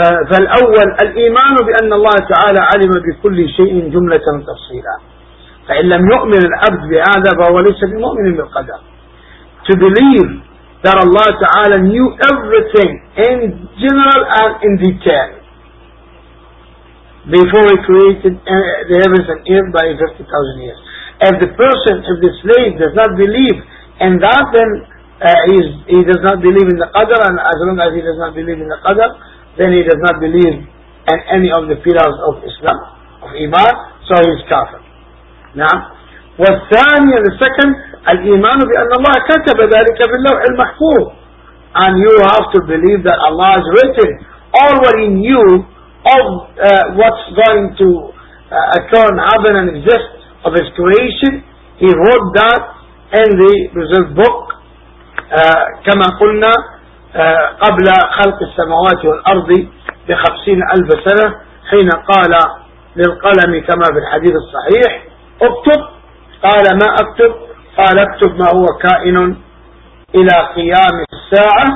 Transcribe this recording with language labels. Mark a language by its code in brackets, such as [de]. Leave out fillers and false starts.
[ar] فالأول الإيمان بأن الله تعالى علم بكل شيء جملة تفصيلا. فإن لم يؤمن العبد بهذا فهو ليس بمؤمن بالقدر. [en] To believe that Allah تعالى knew everything in general and in detail before he created the heavens and earth by 50,000 years. If the person, if the slave does not believe in that, then he does not believe in the qadr, and as long as he does not believe in the qadr, then he does not believe in any of the pillars of Islam, of Iman, so he is kafir. نعم. [ar] والثاني, [en] the second, [ar] الإيمان بأن الله كتب ذلك في اللوح المحفوظ. [en] And you have to believe that Allah has written all what he knew of what's going to occur and happen and exist of his creation. He wrote that in the preserved book. [ar] كما قلنا قبل خلق السماوات والأرض بخمسين ألف سنة حين قال للقلم كما في الحديث الصحيح اكتب, قال ما اكتب, قال اكتب ما هو كائن إلى قيام الساعة.